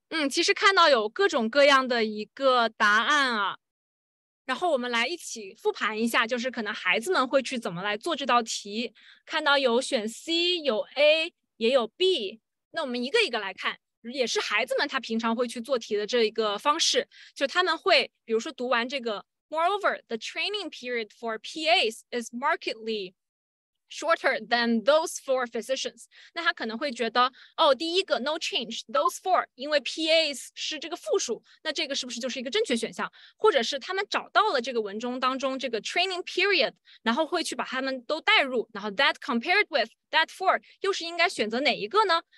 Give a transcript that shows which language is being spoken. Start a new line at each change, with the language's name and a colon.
Chinese: 其实看到有各种各样的一个答案啊。然后我们来一起复盘一下，就是可能孩子们会去怎么来做这道题。看到有选 C， 有 A， 也有 B。那我们一个一个来看。也是孩子们他平常会去做题的这一个方式。就他们会比如说读完这个
English: Moreover, the training period for PAs is markedly shorter than those four physicians.
Chinese: 那他可能会觉得，哦，第一个
English: no change, those four,
Chinese: 因为 PAs 是这个复数，那这个是不是就是一个正确选项？或者是他们找到了这个文中当中这个 training period, 然后会去把他们都带入，然后
English: that compared with that four,
Chinese: 又是应该选择哪一个呢？